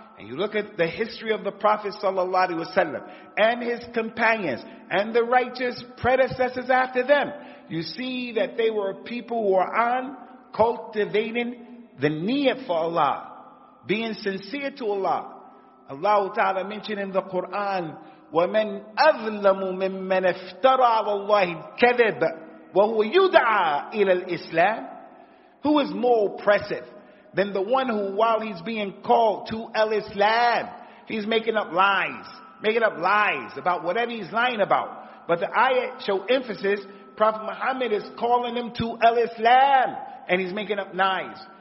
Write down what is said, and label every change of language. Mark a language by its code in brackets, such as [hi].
[en] and you look at the history of the Prophet sallallahu alaihi wasallam and his companions and the righteous predecessors after them, you see that they were people who were on cultivating the niyyah for Allah, being sincere to Allah. [ar] Allah Ta'ala [en] mentioned in the Quran, [ar] وَمَنْ أَظْلَمُ مِمَّنَ افْتَرَى عَلَى اللَّهِ الْكَذِبَ وَهُوَ يُدْعَى إِلَى الْإِسْلَامِ. [en] Who is more oppressive than the one who, while he's being called to al-Islam, he's making up lies about whatever he's lying about. But the ayah show emphasis, Prophet Muhammad is calling him to al-Islam, and he's making up lies.